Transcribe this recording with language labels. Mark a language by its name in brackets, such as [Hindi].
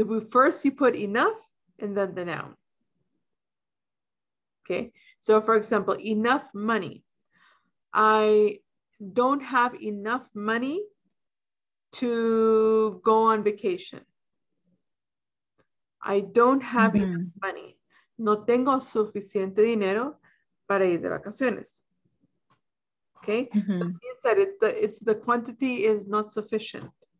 [English] First you put enough and then the noun. Okay, so for example, enough money. I don't have enough money to go on vacation. I don't have enough money. [Spanish] No tengo suficiente dinero para ir de vacaciones. [English] Okay, so it means that the quantity is not sufficient.